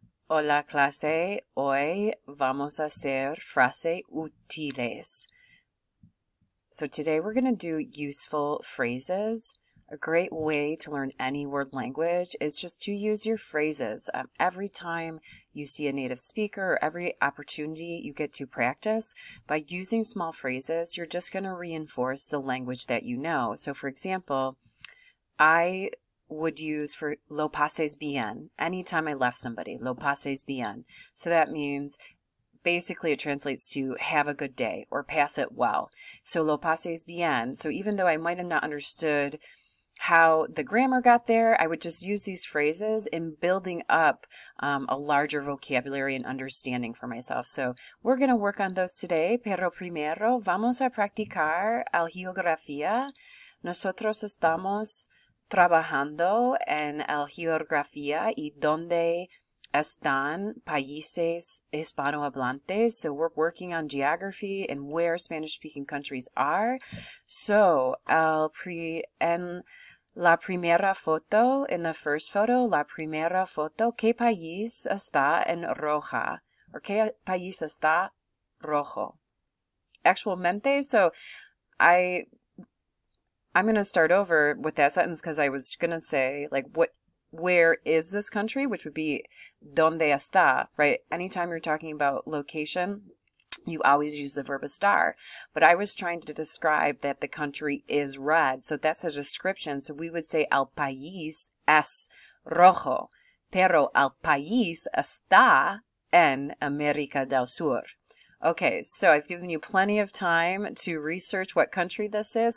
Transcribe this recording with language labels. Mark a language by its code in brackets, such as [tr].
[es] Hola clase, hoy vamos a hacer frase útiles. [en] So today we're going to do useful phrases. A great way to learn any word language is just to use your phrases. Every time you see a native speaker or every opportunity you get to practice, by using small phrases, you're just going to reinforce the language that you know. So for example, I would use for [es] lo pases bien [en] anytime I left somebody, lo pases bien. So that means basically it translates to have a good day or pass it well. [es] So lo pases bien. [en] So even though I might have not understood how the grammar got there, I would just use these phrases in building up a larger vocabulary and understanding for myself. So we're going to work on those today. [es] Pero primero, vamos a practicar la geografía. Nosotros estamos trabajando en la geografía y dónde están países hispanohablantes. [en] So we're working on geography and where Spanish-speaking countries are. [es] So en la primera foto, [en] in the first photo, [es] la primera foto, ¿qué país está en roja? ¿O qué país está rojo? Actualmente, [en] so I'm going to start over with that sentence because I was going to say, like, where is this country? Which would be, [es] ¿dónde está? [en] Right? Anytime you're talking about location, you always use the verb estar. But I was trying to describe that the country is red. So that's a description. So we would say, [es] el país es rojo. Pero el país está en América del Sur. [en] Okay, so I've given you plenty of time to research what country this is.